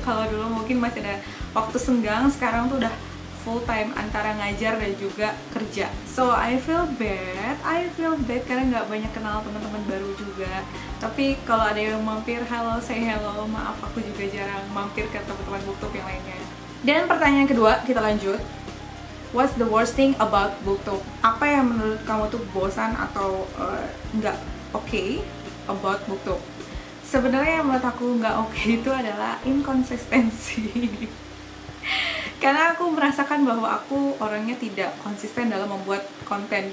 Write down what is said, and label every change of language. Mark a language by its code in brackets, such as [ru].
[id] Kalau dulu mungkin masih ada waktu senggang, sekarang tuh udah full time antara ngajar dan juga kerja. [en] So I feel bad [id] karena nggak banyak kenal teman-teman baru juga. Tapi kalau ada yang mampir, hello, say hello, maaf aku juga jarang mampir ke teman-teman BookTube yang lainnya. Dan pertanyaan kedua, kita lanjut. [en] What's the worst thing about BookTube? [id] Apa yang menurut kamu tuh bosan atau nggak okay about BookTube? Sebenarnya yang menurut aku nggak okay itu adalah inkonsistensi. Karena aku merasakan bahwa aku orangnya tidak konsisten dalam membuat konten.